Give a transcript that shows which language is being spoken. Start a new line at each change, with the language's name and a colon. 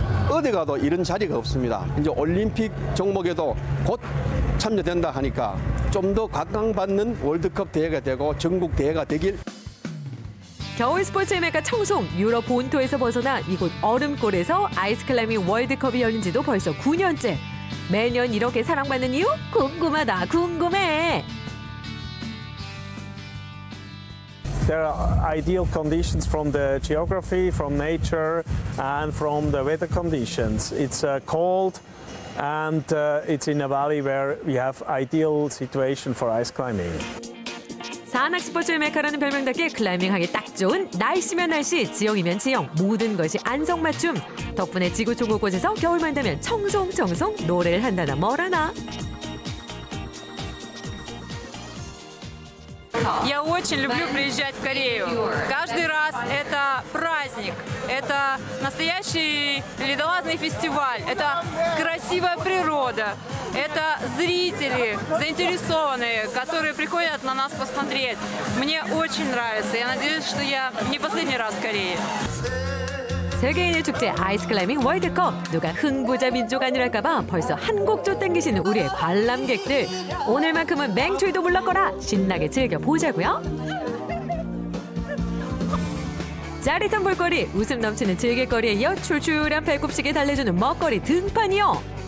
Korean: 어디 가도 이런 자리가 없습니다. 이제 올림픽 종목에도 곧 참여된다 하니까 좀 더 각광받는 월드컵 대회가 되고 전국 대회가 되길. 겨울 스포츠의 메카 청송. 유럽 본토에서 벗어나 이곳 얼음골에서 아이스클라이밍 월드컵이 열린 지도 벌써 9년째. 매년 이렇게 사랑받는 이유? 궁금하다. 궁금해.
English: There are ideal conditions from the geography, from nature, and from the weather conditions. It's cold, and it's in a valley where we have ideal situation for ice climbing.
Korean: 산악 스포츠의 메카라는 별명답게 클라이밍하기 딱 좋은 날씨면 날씨, 지형이면 지형, 모든 것이 안성맞춤. 덕분에 지구촌 곳곳에서 겨울만 되면 청송청송 노래를 한다나 뭐라나.
Russian: Я очень люблю приезжать в Корею. Каждый раз это праздник. Это настоящий ледолазный фестиваль. Это красивая природа. Это зрители, заинтересованные, которые приходят на нас посмотреть. Мне очень нравится. Я надеюсь, что я не последний раз в Корее.
Korean: 세계인의 축제 아이스클라이밍 월드컵. 누가 흥부자 민족 아니랄까 봐 벌써 한 곡조 땡기시는 우리의 관람객들. 오늘만큼은 맹추위도 물러거라. 신나게 즐겨보자고요. 짜릿한 볼거리, 웃음 넘치는 즐길거리에 이어 출출한 배꼽시계 달래주는 먹거리 등판이요.